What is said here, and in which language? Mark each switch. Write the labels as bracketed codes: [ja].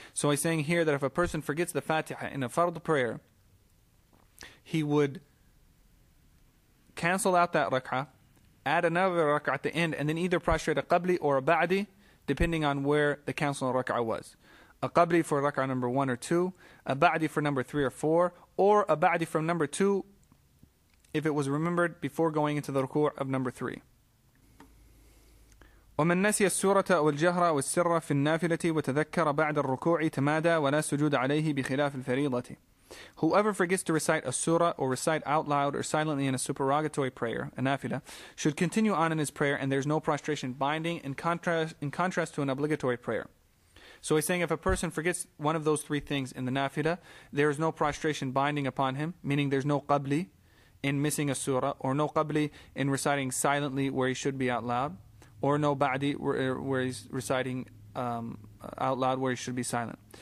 [en] So he's saying here that if a person forgets the Fatiha in a fard prayer, he would cancel out that rak'ah, add another rak'ah at the end, and then either prostrate a qabli or a ba'di, depending on where the cancel rak'ah was. A qabri for rak'ah number 1 or 2, a ba'di for number 3 or 4, or a ba'di from number 2 if it was remembered before going into the ruku' of number 3. [ar] ومن نسي السورة والجهر والسر في النافلة وتذكر بعد الركوع تمادى ولا سجود عليه بخلاف الفريضة. [en] Whoever forgets to recite a surah or recite out loud or silently in a supererogatory prayer, a nafila, should continue on in his prayer and there's no prostration binding in contrast to an obligatory prayer. So he's saying if a person forgets one of those three things in the nafila, there is no prostration binding upon him, meaning there's no qabli in missing a surah, or no qabli in reciting silently where he should be out loud, or no ba'di where he's reciting out loud where he should be silent.